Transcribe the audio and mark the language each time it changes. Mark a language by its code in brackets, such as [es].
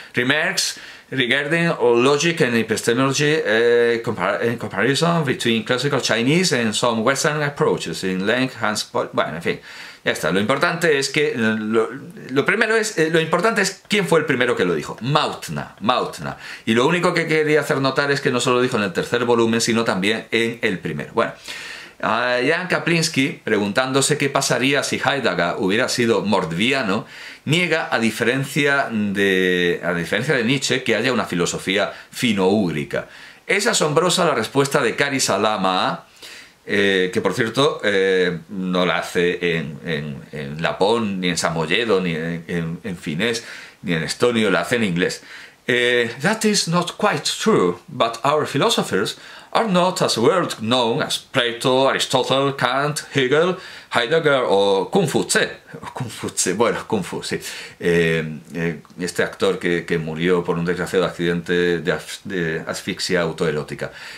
[en] Remarks regarding logic and epistemology, in comparison between classical Chinese and some Western approaches in Lenk, Hans, [es] bueno, en fin. Ya está, lo importante es que lo importante es quién fue el primero que lo dijo. Mautner. Y lo único que quería hacer notar es que no solo lo dijo en el tercer volumen, sino también en el primero. Bueno, Jan Kaplinsky, preguntándose qué pasaría si Heidegger hubiera sido mordviano, niega, a diferencia de Nietzsche, que haya una filosofía finoúgrica. Es asombrosa la respuesta de Kari Salama. Que por cierto no la hace en Lapón, ni en Samoyedo, ni en finés, ni en estonio, la hace en inglés. [en] That is not quite true, but our philosophers are not as world known as Plato, Aristotle, Kant, Hegel, Heidegger o Kung Fu Tse, [es] bueno, Kung Fu, sí. Este actor que murió por un desgraciado accidente de asfixia autoerótica.